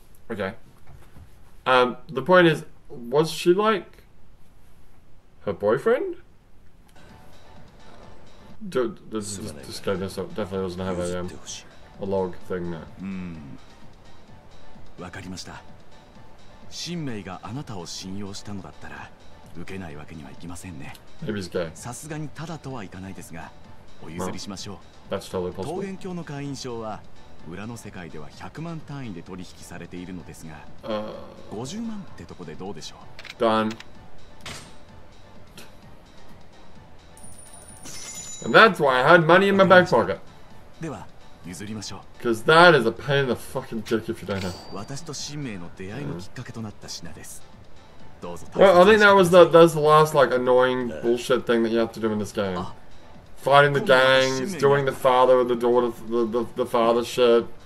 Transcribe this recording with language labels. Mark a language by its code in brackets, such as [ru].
[en] Okay. The point is, was she like her boyfriend? This guy definitely doesn't have a log thing there. [ja] わかりました. 神明があなたを信用したのだったら 受けないわけにはいきませんね. [en] Maybe he's gay. [ja] さすがにただとはいかないですが お譲りしましょう. [en] That's totally possible. [ja] 桃源郷の会員証は 裏の世界では 100万 単位で取引されているのですが 50万 ってとこでどうでしょう? [en] Done. And that's why I had money in my back pocket. [ja] では譲りましょう. [en] Cuz that is a pain in the fucking dick if you don't have. [ja] 私と神明の出会いのきっかけとなった品です. どうぞ. [en] Well, I think that's the last like annoying bullshit thing that you have to do in this game. Fighting the gangs, doing the father and the daughter, the father shit.